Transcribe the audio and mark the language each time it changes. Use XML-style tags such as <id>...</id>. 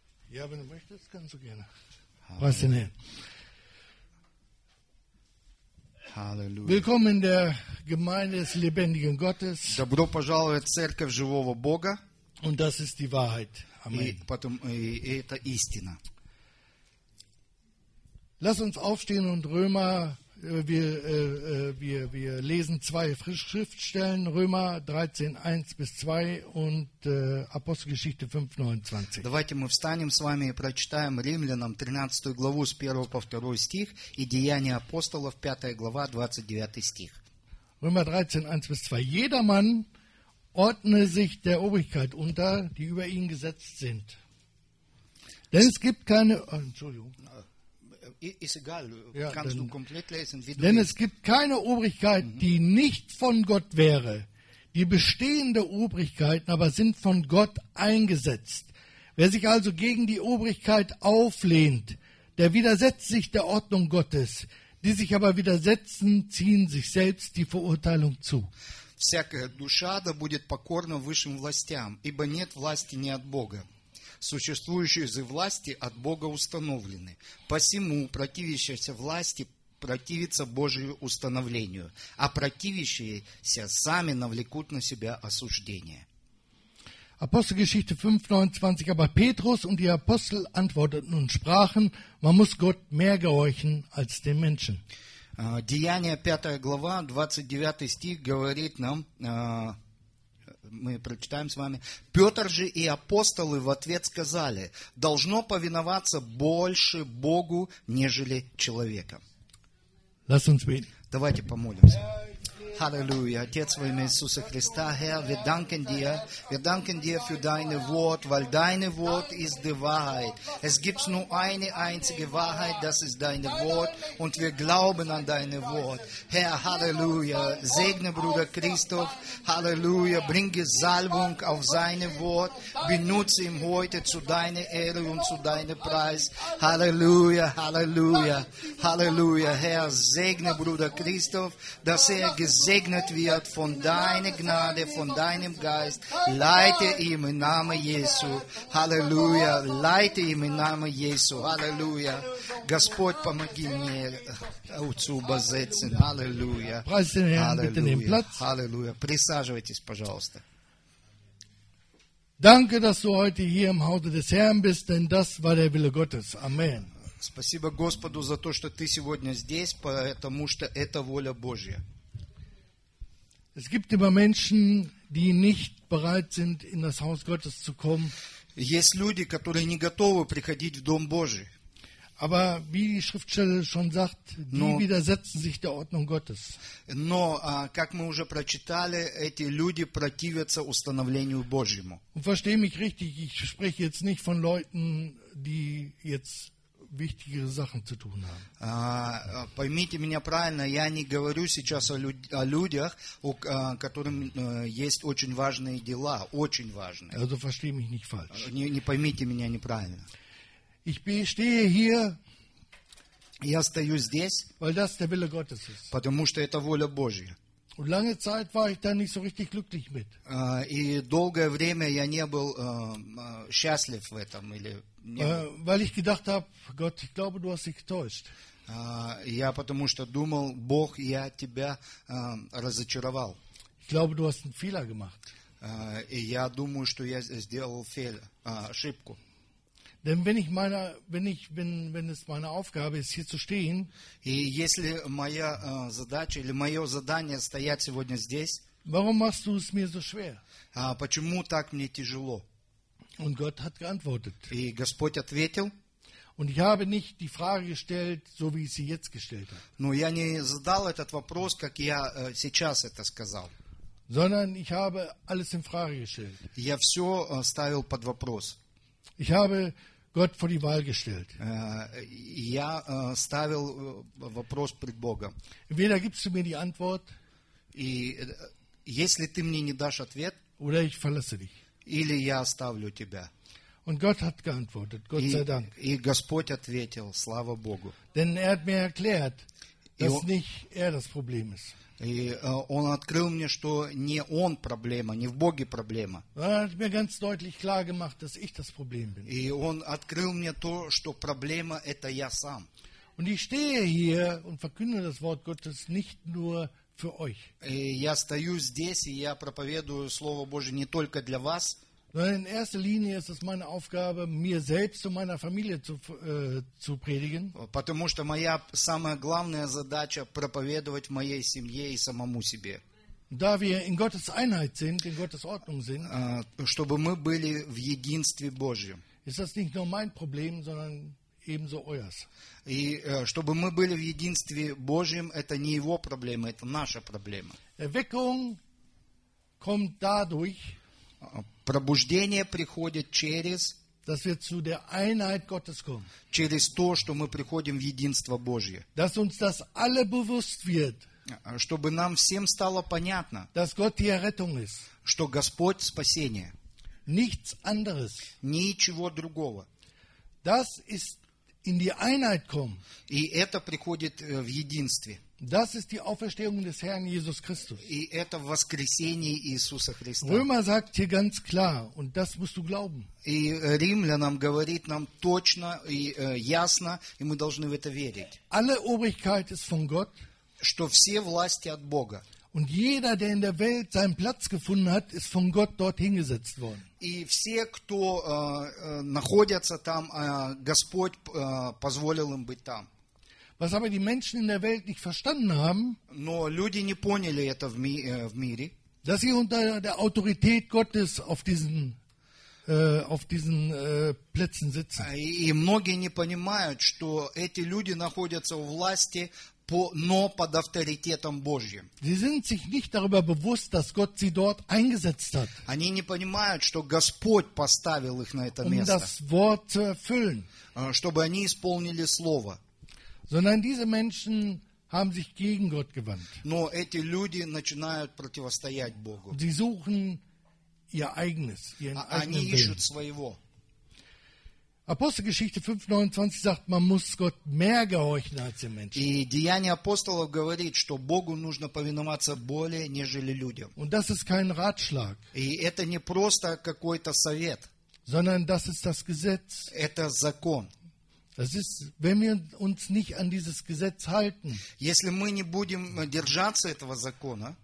<de>Gavin, möchte es ganz gerne. Was denn? Halleluja. Willkommen in der Gemeinde des lebendigen Gottes.</de> <ru>Добро пожаловать в церковь живого Бога.</ru> <de>Und das ist die Wahrheit.</de> <ru>Amen. И это истина.</ru> <de>Lass uns aufstehen und wir lesen zwei Schriftstellen, Römer 13, 1 bis 2 und Apostelgeschichte 5, 29.</de> <ru>Давайте мы встанем с вами и прочитаем Римлянам 13 главу с 1 по 2 стих и Деяния апостолов 5 глава 29 стих.</ru> <de>Römer 13, 1 bis 2. Jedermann ordne sich der Obrigkeit unter, die über ihn gesetzt sind. Denn es gibt keine... Entschuldigung. Ist egal, ja, kannst denn, du komplett lesen, wie du denn willst. Es gibt keine Obrigkeit, die nicht von Gott wäre. Die bestehende Obrigkeiten aber sind von Gott eingesetzt. Wer sich also gegen die Obrigkeit auflehnt, der widersetzt sich der Ordnung Gottes. Die sich aber widersetzen, ziehen sich selbst die Verurteilung zu.</de> <ru>Всякая душа да будет покорна высшим властям, ибо нет власти ни от Бога. Существующие же власти от Бога установлены. Посему противящаяся власти противится Божию установлению, а противящиеся сами навлекут на себя осуждение.</ru> <de>Апостолгеschichte 5, 29. Aber Petrus und die Apostel antworteten und sprachen, man muss Gott mehr gehorchen als den Menschen.</de> <ru>Деяния 5 глава, 29 стих говорит нам... Мы прочитаем с вами. Петр же и апостолы в ответ сказали, должно повиноваться больше Богу, нежели человеком.</ru> <de>Lass uns beten.</de> <ru>Давайте помолимся.</ru> <de>Halleluja,</de> <ru>Отец во имя Иисуса Христа,</ru> <de>Herr, wir danken dir für deine Wort, weil deine Wort ist die Wahrheit. Es gibt nur eine einzige Wahrheit, das ist deine Wort, und wir glauben an deine Wort. Herr, Halleluja, segne Bruder Christoph, Halleluja, bringe Salbung auf seine Wort, benutze ihn heute zu deiner Ehre und zu deinem Preis. Halleluja, Halleluja, Halleluja, Herr, segne Bruder Christoph, dass er gesegnet wird von deiner Gnade, von deinem Geist. Leite ihm im Namen Jesu. Halleluja. Leite ihm im Namen Jesu. Halleluja.</de> <ru>Господь, помоги мне</ru> <de>zu übersetzen. Halleluja. Preis den Herrn, bitte nehmen Platz. Halleluja.</de> <ru>Присаживайтесь, пожалуйста.</ru> <de>Danke, dass du heute hier im Hause des Herrn bist, denn das war der Wille Gottes. Amen.</de> <ru>Спасибо Господу за то, что ты сегодня здесь, потому что это воля Божья.</ru> <de>Es gibt immer Menschen, die nicht bereit sind, in das Haus Gottes zu kommen.</de> <ru>Есть люди, которые не готовы приходить в дом Божий.</ru> <de>Aber wie die Schriftstelle schon sagt, die widersetzen sich der Ordnung Gottes.</de> <ru>Но, как мы уже прочитали, эти люди противятся установлению Божьему.</ru> <de>Und verstehe mich richtig, ich spreche jetzt nicht von Leuten, die jetzt wichtigere Sachen zu tun haben.</de> <ru>Поймите меня правильно, я не говорю сейчас о людях, которым есть очень важные дела, очень важные.</ru> <de>Also verstehe mich nicht falsch.</de> <ru>Не поймите меня неправильно.</ru> <de>Ich stehe hier,</de> <ru>я стою здесь,</ru> <de>weil das der Wille Gottes ist.</de> <ru>Потому что это воля Божья.</ru> <de>Und lange Zeit war ich da nicht so richtig glücklich mit.</de> <ru>И долгое время я не был счастлив в этом или</ru> <de>Weil ich gedacht habe, Gott, ich glaube, du hast dich getäuscht.</de> <ru>Я потому что думал, Бог, я тебя разочаровал.</ru> <de>Ich glaube, du hast einen Fehler gemacht.</de> <ru>И я думаю, что я сделал ошибку.</ru> <de>Denn wenn es meine Aufgabe ist, hier zu stehen,</de> <ru>и если моя задача или мое задание стоять сегодня здесь,</ru> <de>warum machst du es mir so schwer?</de> <ru>Почему так мне тяжело?</ru> <de>Und Gott hat geantwortet.</de> <ru>И Господь ответил.</ru> <de>Und ich habe nicht die Frage gestellt, so wie ich sie jetzt gestellt habe.</de> <ru>Но я не задал этот вопрос, как я сейчас это сказал.</ru> <de>Sondern ich habe alles in Frage gestellt.</de> <ru>Я все ставил под вопрос.</ru> <de>Ich habe Gott vor die Wahl gestellt.</de> <ru>Я ставил вопрос пред Богом.</ru> <de>Entweder gibst du mir die Antwort,</de> <ru>и если ты мне не дашь ответ,</ru> <de>oder ich verlasse dich.</de> <ru>Или я оставлю тебя.</ru> <de>Und Gott hat geantwortet, Gott sei Dank.</de> <ru>И Господь ответил, слава Богу.</ru> <de>Denn er hat mir erklärt, И</de> <ru>он открыл мне, что не он проблема, не в Боге проблема. И он открыл мне то, что проблема – это я сам.</ru> <de>Und ich stehe hier und verkünde das Wort Gottes nicht nur für euch.</de> <ru>Я стою здесь, и я проповедую Слово Божие не только для вас.</ru> <de>Sondern in erster Linie ist es meine Aufgabe, mir selbst und meiner Familie zu predigen.</de> <ru>Потому что моя самая главная задача проповедовать моей семье и самому себе.</ru> <de>Da wir in Gottes Einheit sind, in Gottes Ordnung sind.</de> <ru>Чтобы мы были в единстве Божьем.</ru> <de>Ist das nicht nur mein Problem, sondern ebenso euers.</de> <ru>И чтобы мы были в единстве Божьем, это не его проблема, это наша проблема.</ru> <de>Erweckung kommt dadurch,</de> <ru>пробуждение приходит через,</ru> <de>dass wir zu der Einheit Gottes kommen.</de> <ru>Через то, что мы приходим в единство Божье.</ru> <de>Dass uns das alle bewusst wird,</de> <ru>чтобы нам всем стало понятно,</ru> <de>dass Gott die Errettung ist.</de> <ru>Что Господь спасение.</ru> <de>Nichts anderes.</de> <ru>Ничего другого.</ru> <de>Das ist in die Einheit kommen.</de> <ru>И это приходит в единстве.</ru> <de>Das ist die Auferstehung des Herrn Jesus Christus.</de> <ru>И это воскресение Иисуса Христа.</ru> <de>Römer sagt hier ganz klar, und das musst du glauben.</de> <ru>И Римлянам говорит нам точно и ясно, и мы должны в это верить.</ru> <de>Alle Obrigkeit ist von Gott.</de> <ru>Что все власти от Бога.</ru> <de>Und jeder, der in der Welt seinen Platz gefunden hat, ist von Gott dorthin gesetzt worden.</de> <ru>И все, кто находятся там, Господь позволил им быть там.</ru> <de>Was aber die Menschen in der Welt nicht verstanden haben,</de> <ru>но люди не поняли это в мире,</ru> <de>dass sie unter der Autorität Gottes auf diesen Plätzen sitzen.</de> <ru>И многие не понимают, что эти люди находятся у власти, но под авторитетом Божьим.</ru> <de>Sie sind sich nicht darüber bewusst, dass Gott sie dort eingesetzt hat.</de> <ru>Они не понимают, что Господь поставил их на это место.</ru> <de>Um das Wort zu erfüllen.</de> <ru>Чтобы они исполнили Слово.</ru> <de>Sondern diese Menschen haben sich gegen Gott gewandt.</de> <ru>Но эти люди начинают противостоять Богу.</ru> <de>Sie suchen ihr eigenes, ihren eigenen Willen.</de> <ru>Они ищут своего.</ru> <de>Apostelgeschichte 5:29 sagt, man muss Gott mehr gehorchen als den Menschen.</de> <ru>И Деяния апостолов говорит, что Богу нужно повиноваться более, нежели людям.</ru> <de>Und das ist kein Ratschlag.</de> <ru>И это не просто какой-то совет.</ru> <de>Sondern das ist das Gesetz.</de> <ru>Это закон.</ru> <de>Das ist, wenn wir uns nicht an dieses Gesetz halten.</de> <ru>Если мы не будем держаться этого закона,</ru>